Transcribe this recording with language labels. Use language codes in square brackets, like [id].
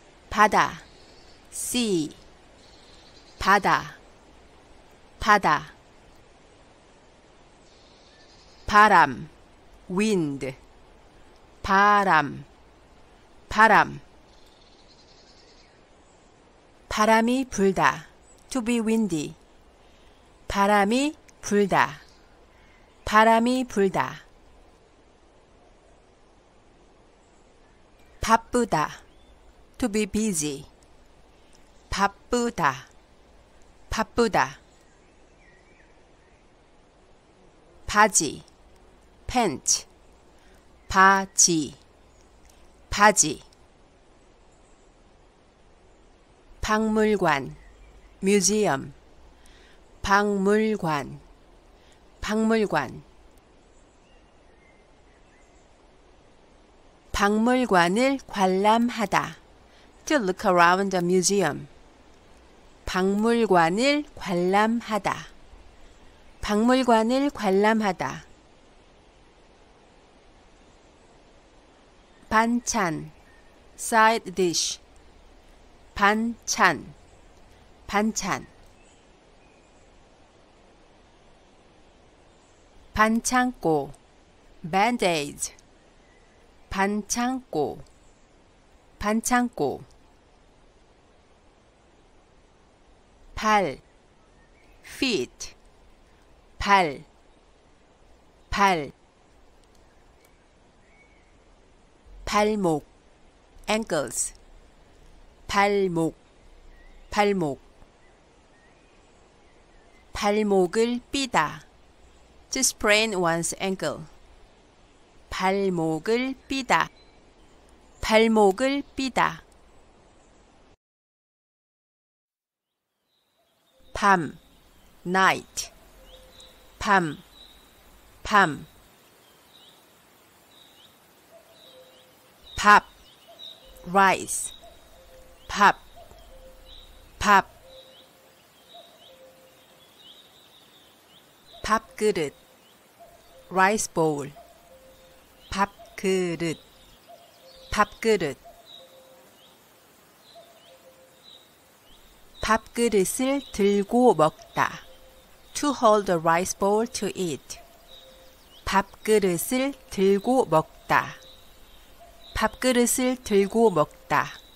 [ko] 바다, sea. 바다, 바다. 바람, wind. 바람, 바람. 바람이 불다, [en] to be windy. [ko] 바람이 불다, 바람이 불다. [en] 바쁘다, to be busy. [ko] 바쁘다, 바쁘다. 바지, pants. 바지, 바지. 박물관, museum. 박물관, 박물관. 박물관을 관람하다, [en] to look around a museum. [ko] 박물관을 관람하다, 박물관을 관람하다. [en] 반찬, side dish. [ko] 반찬, 반찬. 반창고, band-aid. 반창고, 반창고. 발, feet. 발, 발. 발목, ankles. 발목, 발목. 발목을 삐다, [en] to sprain one's ankle. [ko] 발목을 삐다, 발목을 삐다. 밤, night. 밤, 밤. 밥, rice. 밥, 밥. [en] 밥그릇, rice bowl. [ko] 밥그릇, 밥그릇. 밥그릇을 들고 먹다, [en] to hold a rice bowl to eat. [ko] 밥그릇을 들고 먹다, 밥그릇을 들고 먹다.